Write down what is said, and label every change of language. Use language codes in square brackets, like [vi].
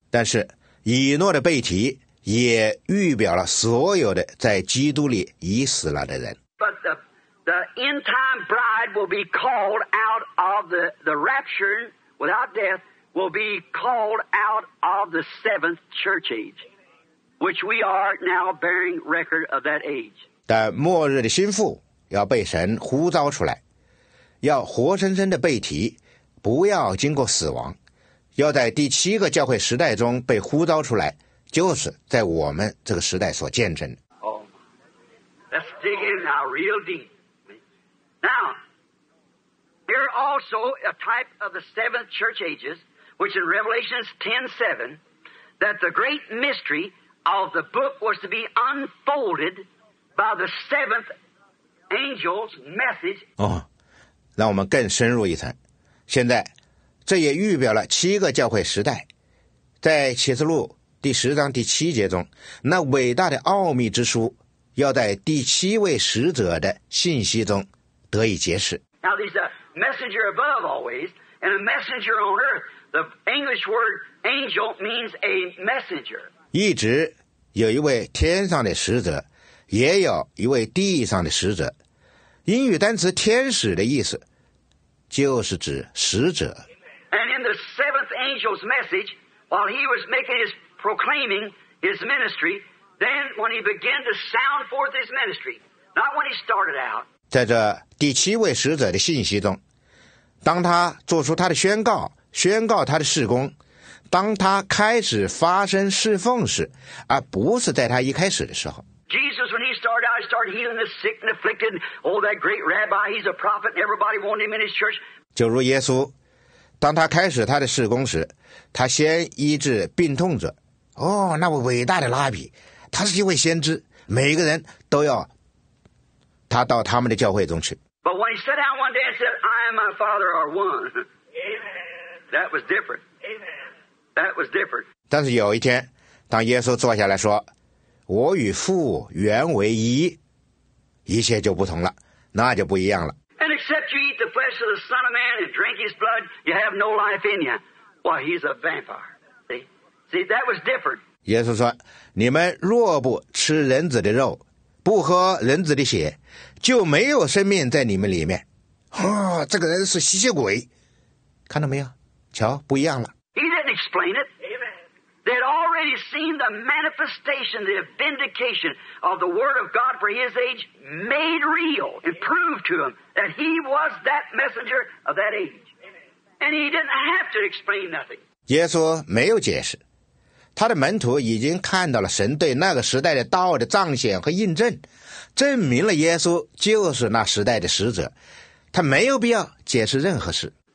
[zh] 但是以诺的被提也预表了所有的在基督里已死了的人。 [en] The end time bride will be called out of the rapture without death, will be called out of the seventh church age, which we are now bearing record of that age. [zh] 但末日的心腹要被神呼召出来，要活生生的被提，不要经过死亡，要在第七个教会时代中被呼召出来，就是在我们这个时代所见证的。 [en] Oh, let's dig in now real deep. Now, here also a type of the seventh church ages, which in Revelation 10:7, that the great mystery of the book was to be unfolded by the seventh angel's message. [zh] 哦，让我们更深入一层。现在，这也预表了七个教会时代。在启示录第十章第七节中，那伟大的奥秘之书要在第七位使者的信息中得以解释。 [en] Now there's a messenger above always and a messenger on earth. The English word angel means a messenger. [zh] 一直有一位天上的使者，也有一位地上的使者。英语单词天使的意思就是指使者。 [en] And in the seventh angel's message, while he was making his proclaiming his ministry, then when he began to sound forth his ministry, not when he started out. [zh] 在这第七位使者的信息中，当他做出他的宣告，宣告他的事工，当他开始发声侍奉时，而不是在他一开始的时候。 [en] Jesus, when he started out, started healing the sick and afflicted. Oh, that great rabbi, he's a prophet, and everybody wanted him in his church. [zh] 就如耶稣，当他开始他的事工时，他先医治病痛者。哦，那位伟大的拉比，他是一位先知，每个人都要他到他们的教会中去。 [en] But when he sat down one day and said, I and my father are one. Amen. That was different. Amen. That was different. [zh] 但是有一天，当耶稣坐下来说，我与父原为一，一切就不同了，那就不一样了。 [en] And except you eat the flesh of the Son of Man and drink his blood, you have no life in you. Why, he's a vampire. See, that was different. [zh] 耶稣说，你们若不吃人子的肉，不喝人子的血，就没有生命在你们里面。哦，这个人是吸血鬼，看到没有？瞧，不一样了。 [en] He didn't explain it. They had already seen the manifestation, the vindication of the word of God for his age made real and proved to him that he was that messenger of that age. And he didn't have to explain nothing. [zh] 耶稣没有解释，他的门徒已经看到了神对那个时代的道的彰显和印证，证明了耶稣就是那时代的使者，他没有必要解释任何事。